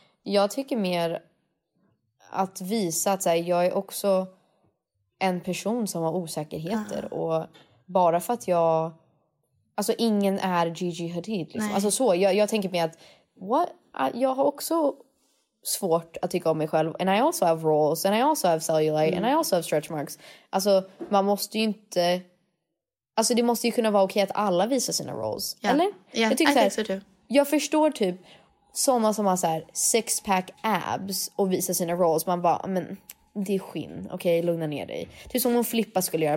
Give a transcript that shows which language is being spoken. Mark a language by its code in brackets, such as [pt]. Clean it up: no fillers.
[sv] Jag tycker mer att visa att så här, jag är också en person som har osäkerheter. Uh-huh. Och bara för att jag... Alltså, ingen är Gigi Hadid. Liksom. Alltså så, jag tänker mer att... What? Jag har också svårt att tycka om mig själv. [en] And I also have rolls, and I also have cellulite, and I also have stretch marks. [sv] Alltså, man måste ju inte... Alltså, det måste ju kunna vara okej att alla visar sina rolls. [en] Yeah. [sv] Eller? [en] Yeah, [sv] jag tycker, [en] I [sv] så här, [en] think so too. [sv] Jag förstår typ... Såna som har så här six-pack abs och visar sina rolls. Man bara, men det är skinn. Okej, okay, lugna ner dig. Typ som om Filippa skulle göra.